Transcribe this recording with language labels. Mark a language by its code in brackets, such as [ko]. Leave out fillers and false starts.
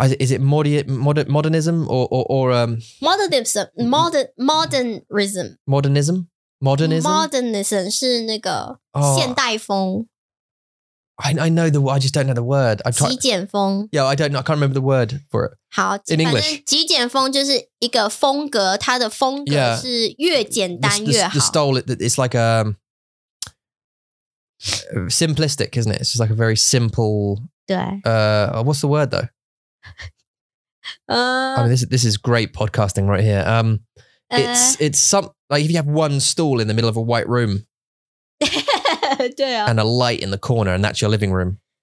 [en] Is it modernism or, modernism, modernism. Modernism? Modernism? [zh] Modernism 是那个现代风。 [en] Oh, I know the word, I just don't know the word. [zh] 极简风。 [en] Yeah, I don't know, I can't remember the word for it. [zh] 好, [en] in English. [zh] 极简风就是一个风格, 它的风格是越简单越好。 [en] The style, it's like a simplistic, isn't it? It's just like a very simple. [zh] 对。 [en] What's the word though? I mean, this is great podcasting right here. It's some, like if you have one stool in the middle of a white room, and a light in the corner, and that's your living room.